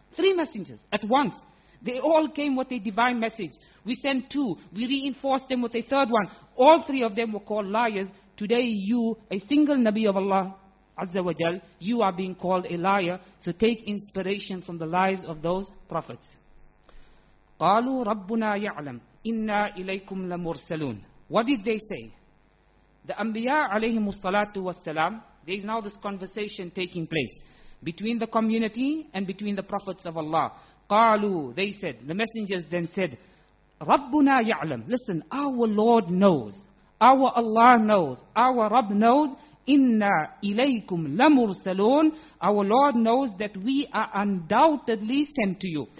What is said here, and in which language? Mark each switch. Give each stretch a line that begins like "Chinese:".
English: Three messengers at once. They all came with a divine message. We sent two. We reinforced them with a third one. All three of them were called liars. Today you, a single Nabi of Allah, Azza wa Jal, you are being called a liar. So take inspiration from the lies of those prophets.
Arabic: قَالُوا رَبُّنَا يَعْلَمْ إِنَّا إِلَيْكُمْ لَمُرْسَلُونَ
English: What did they say? The Anbiya alayhimu salatu wassalam, there is now this conversation taking place between the community and between the prophets of Allah. قالوا, they said, the messengers then said,
Arabic: رَبُّنَا يَعْلَمْ
English: Listen, our Lord knows, our Allah knows, our Rabb knows,
Arabic: إِنَّا إِلَيْكُمْ لَمُرْسَلُونَ
English: Our Lord knows that we are undoubtedly sent to you.